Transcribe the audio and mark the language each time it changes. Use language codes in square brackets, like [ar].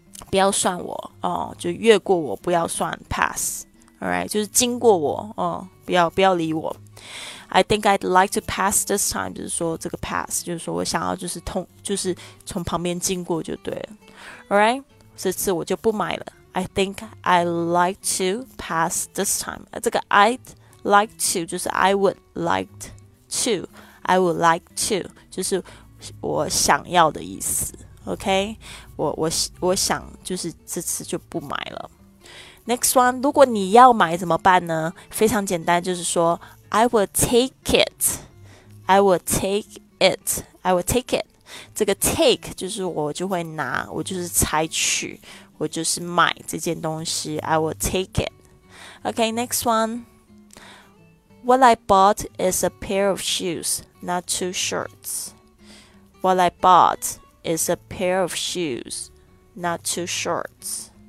[zh] 不要算我、就越过我不要算 pass Alright 就是经过我、不要理我 [en] I think I'd like to pass this time [zh] 就是说这个 pass 就是说我想要就是通就是从旁边经过就对了 Alright 这次我就不买了I think I'd like to pass this time. [en] 这个 I'd like to 就是 I would like to. I would like to [zh] 就是我想要的意思。 [en] OK? [zh] 我想就是这次就不买了。 [en] Next one, [zh] 如果你要买怎么办呢? 非常简单就是说 [en] I will take it. I will take it. I will take it. [zh] 这个 take 就是我就会拿,我就是采取。我就是买这件东西 [en] I will take it OK, next one What I bought is a pair of shoes Not two shirts What I bought is a pair of shoes Not two shirts